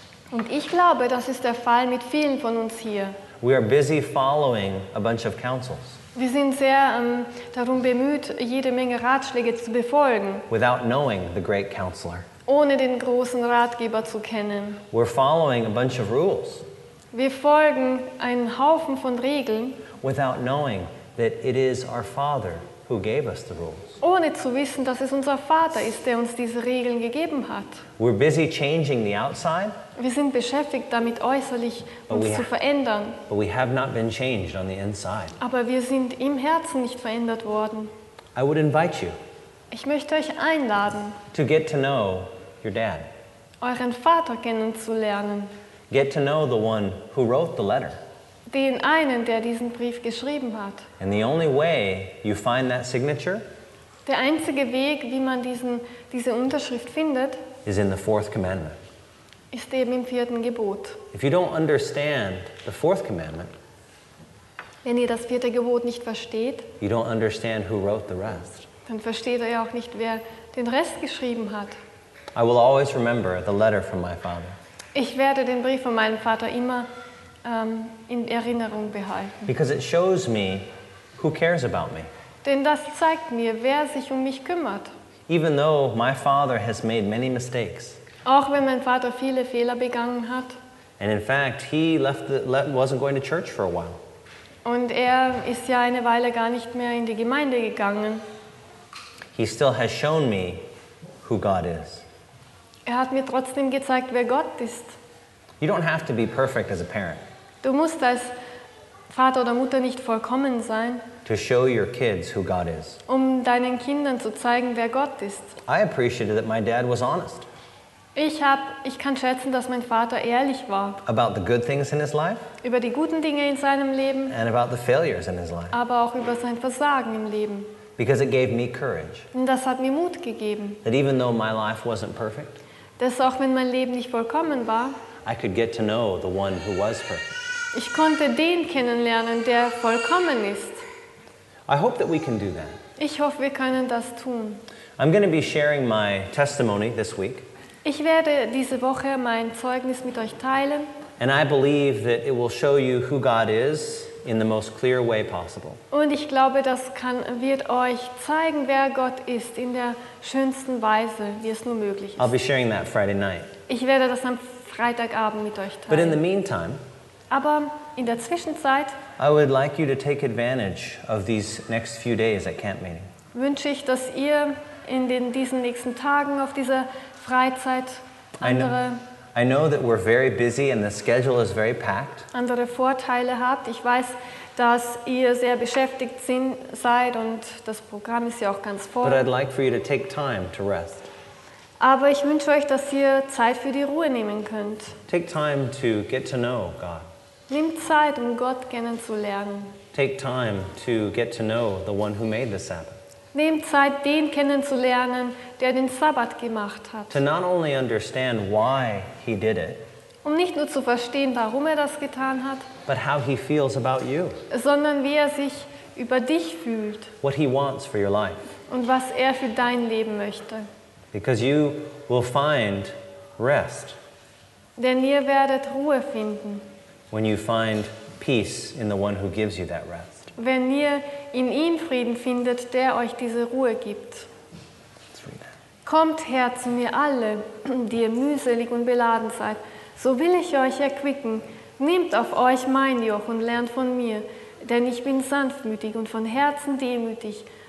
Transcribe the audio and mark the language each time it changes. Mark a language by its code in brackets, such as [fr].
[de] Und ich glaube, das ist der Fall mit vielen von uns hier. [en] We are busy following a bunch of counsels. [de] Wir sind sehr darum bemüht, jede Menge Ratschläge zu befolgen. [en] Without knowing the great counselor. [de] Ohne den großen Ratgeber zu kennen. [en] We're following a bunch of rules. [de] Wir folgen einen Haufen von Regeln. [en] Without knowing that it is our Father who gave us the rules. [de] Ohne zu wissen, dass es unser Vater ist, der uns diese Regeln gegeben hat. [en] We're busy changing the outside. [de] Wir sind beschäftigt damit, äußerlich uns zu verändern. [en] But we have not been changed on the inside. [de] Aber wir sind im Herzen nicht verändert worden. [en] I would invite you. [de] Ich möchte euch einladen. [en] To get to know your dad. [de] Euren Vater kennenzulernen. [en] Get to know the one who wrote the letter. [de] Den einen, der diesen Brief geschrieben hat. [en] And the only way you find that signature, [de] der einzige Weg, wie man diese Unterschrift findet, [en] is in the fourth commandment. [de] Ist eben im vierten Gebot. [en] If you don't understand the fourth commandment, [de] wenn ihr das vierte Gebot nicht versteht, [en] you don't understand who wrote the rest. [de] Dann versteht ihr auch nicht, wer den Rest geschrieben hat. [en] I will always remember the letter from my father. [de] Ich werde den Brief von meinem Vater immer in Erinnerung behalten. [en] Because it shows me who cares about me. [de] Denn das zeigt mir, wer sich um mich kümmert. [en] Even though my father has made many mistakes. [de] Auch wenn mein Vater viele Fehler begangen hat. [en] And in fact, he wasn't going to church for a while. [de] Und er ist ja eine Weile gar nicht mehr in die Gemeinde gegangen. [en] He still has shown me who God is. [de] Er hat mir trotzdem gezeigt, wer Gott ist. [en] You don't have to be perfect as a parent. [de] Du musst als Vater oder Mutter nicht vollkommen sein. [en] To show your kids who God is. [de] Um deinen Kindern zu zeigen, wer Gott ist. [en] I appreciated that my dad was honest. [de] Ich kann schätzen, dass mein Vater ehrlich war. [en] About the good things in his life. [de] Über die guten Dinge in seinem Leben. [en] And about the failures in his life. [de] Aber auch über sein Versagen im Leben. [en] Because it gave me courage. [de] Und das hat mir Mut gegeben. [en] That even though my life wasn't perfect. [de] Dass auch wenn mein Leben nicht vollkommen war. [en] I could get to know the one who was perfect. [de] Ich konnte den kennenlernen, der vollkommen ist. [en] I hope that we can do that. [de] Ich hoffe, wir können das tun. [en] I'm going to be sharing my testimony this week. [de] Ich werde diese Woche mein Zeugnis mit euch teilen. [en] And I believe that it will show you who God is in the most clear way possible. [de] Und ich glaube, das wird euch zeigen, wer Gott ist in der schönsten Weise, wie es nur möglich ist. [en] I'll be sharing that Friday night. [de] Ich werde das am Freitagabend mit euch teilen. [en] But in the meantime, [de] aber in der Zwischenzeit, [en] I would like you to take advantage of these next few days at camp meeting. [de] wünsche ich, dass ihr in diesen nächsten Tagen auf dieser Freizeit andere [en] I know that we're very busy and the schedule is very packed. [de] Andere Vorteile habt. Ich weiß, dass ihr sehr beschäftigt seid und das Programm ist ja auch ganz voll. [en] But I'd like for you to take time to rest. [de] Aber ich wünsche euch, dass ihr Zeit für die Ruhe nehmen könnt. [en] Take time to get to know God. [de] Nehmt Zeit, um Gott kennenzulernen. [en] Take time to get to know the one who made the Sabbath. [de] Nehmt Zeit, den kennenzulernen, der den Sabbat gemacht hat. [en] To not only understand why he did it. [de] Um nicht nur zu verstehen, warum das getan hat. [en] But how he feels about you. [de] Sondern wie sich über dich fühlt. [en] What he wants for your life. [de] Und was für dein Leben möchte. [en] Because you will find rest. [de] Denn ihr werdet Ruhe finden. [en] When you find peace in the one who gives you that rest. [de] Wenn ihr in ihm Frieden findet, der euch diese Ruhe gibt. Kommt her zu mir alle, die ihr mühselig und beladen seid, so will ich euch erquicken. Nehmt auf euch mein Joch und lernt von mir, denn ich bin sanftmütig und von Herzen demütig.